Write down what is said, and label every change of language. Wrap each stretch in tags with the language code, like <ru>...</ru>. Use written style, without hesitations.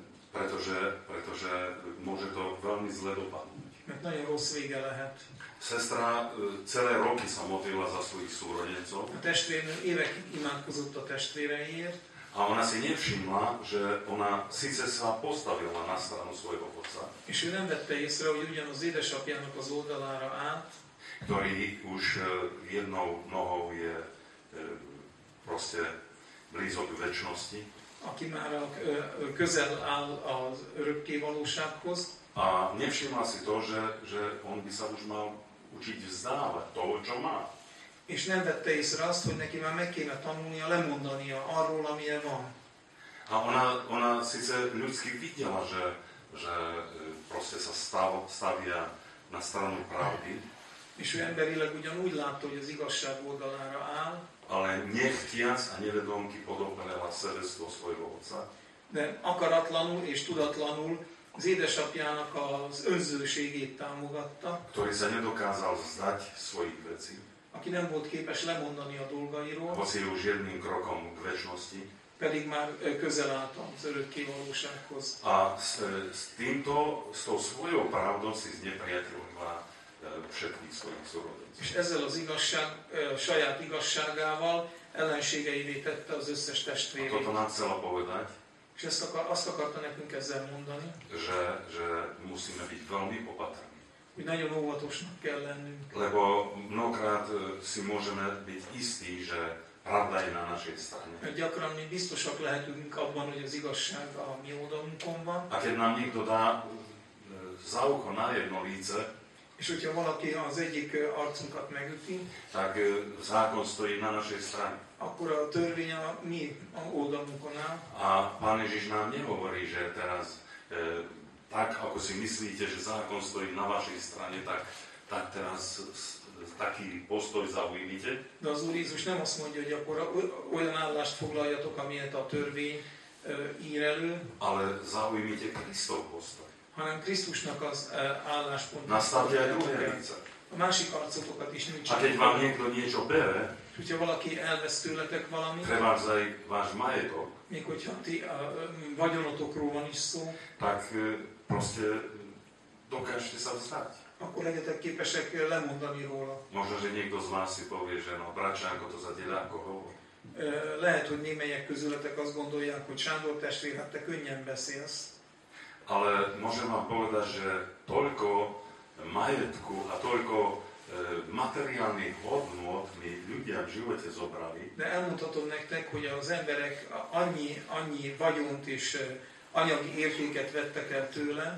<sk>Pretože môže to veľmi zle dopadnúť.</sk> <hu>Mert nagyon rossz vége lehet.</hu> <sk>Sestra celé roky sa modlila za svojich súrodencov.</sk> <hu>A testvérnő évek imádkozott a testvéreiért.</hu> <sk>A ona si nevšimla, že ona síce sa postavila na stranu svojho otca.</sk> <hu>És ő nem vette észre, hogy ugyanaz édesapjának az oldalára állt.</hu> <sk>Ktorý už jednou nohou je proste blízok večnosti.</sk> <hu>Aki már közel áll az örökké valósághoz.</hu> <sk>A nevšimla si to, že on by sa už mal učiť vzdávať toho, čo má.</sk> <hu>És nem vette észre azt, hogy neki már meg kéne tanulnia, lemondania arról, amilyen van.</hu> <sk>A ona síce ľudský videla, že proste sa stavia na stranu pravdy.</sk> <hu>És ő emberileg ugyanúgy látta, hogy az igazság oldalára áll.</hu> <sk>Ale nechtiac a nevedomky podoprela sebestvo svojho otca.</sk> <hu>De akaratlanul és tudatlanul az édesapjának az önzőségét támogatta.</hu> <sk>Ktorý sa nedokázal vzdať svojich vecí.</sk> <hu>Aki nem volt képes lemondani a dolgairól.</hu> <sk>Hoci už jedným krokom k večnosti.</sk> <hu>Pedig már közel állt az örökké valósághoz.</hu> <sk>A s týmto, s tou svojou pravdou si znepriatelila všetkých svojich súrodencov.</sk> <hu>És ezzel az igazság, saját igazságával ellenségeivé tette az összes testvérét.</hu> <sk>A toto nám chcela povedať.</sk> <hu>És azt akarta nekünk ezzel mondani.</hu> <sk>Že musíme byť veľmi opatrní.</sk> <hu>Hogy nagyon óvatosnak kell lennünk.</hu> <sk>Lebo mnohokrát si môžeme byť istí, že pravda je na našej strane.</sk> <hu>Mert gyakran mi biztosak lehetünk abban, hogy az igazság a mi oldalunkon van.</hu> <sk>A keď nám niekto dá za ucho na jedno líce,</sk> <hu>és hogyha valaki az egyik arcunkat megüti,</hu> <sk>tak zákon stojí na našej strane.</sk> <hu>Akkor a törvény a mi oldalunkon áll.</hu> <sk>A Pán Ježiš nám nehovorí, že teraz tak, ako si myslíte, že zákon stojí na vašej strane, tak teraz taký postoj zaujímite.</sk> <hu>De az Úr Jézus nem azt mondja, hogy akkor olyan állást foglaljatok, amilyet a törvény ír elő.</hu> <sk>Ale zaujímite Kristov postoj.</sk> <hu>Hanem Krisztusnak az álláspont.</hu> <sk>Nastavte aj druhé lice.</sk> <hu>A másik arcotokat is nincs.</hu> <sk>A keď vám niekto niečo bere,</sk> <hu>hogyha valaki elvesz tőletek valami,</hu> <sk>trebárs aj váš majetok,</sk> <hu>még hogyha ti vagyonotokról van is szó,</hu> <sk>tak proste dokážete sa vzdať.</sk> <hu>Akkor legyetek képesek lemondani róla.</hu> <sk>Možno, že niekto z vás si povie, že no, bratčánko, to za teda ako hovor.</sk> <hu>Lehet, hogy némelyek közületek azt gondolják, hogy Sándor testvér, hát te könnyen beszélsz.</hu> <sk>Ale môžem vám povedať, že toľko majetku a toľko materiálny hodnot mi ľudia v živote zobrali.</sk> <hu>De elmutatom nektek, hogy az emberek annyi vagyont és anyagi értéket vettek el tőle.</hu>